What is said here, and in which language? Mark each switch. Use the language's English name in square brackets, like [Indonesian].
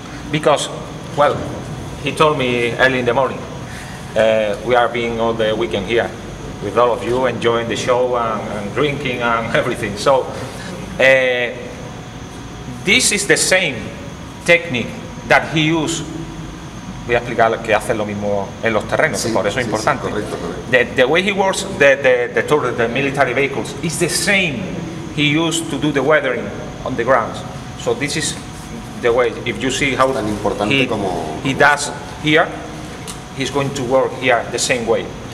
[English] Because, well, he told me early in the morning, we are being all the weekend here with all of you enjoying the show and drinking and everything. So, this is the same technique that he used. [Spanish] Voy a explicar que hace lo mismo en los terrenos, sí, por eso es importante. Sí, correcto. [English] The way he works the turret, the military vehicles, is the same he used to do the weathering on the ground. So this is the way, if you see how he does here, he's going to work here the same way.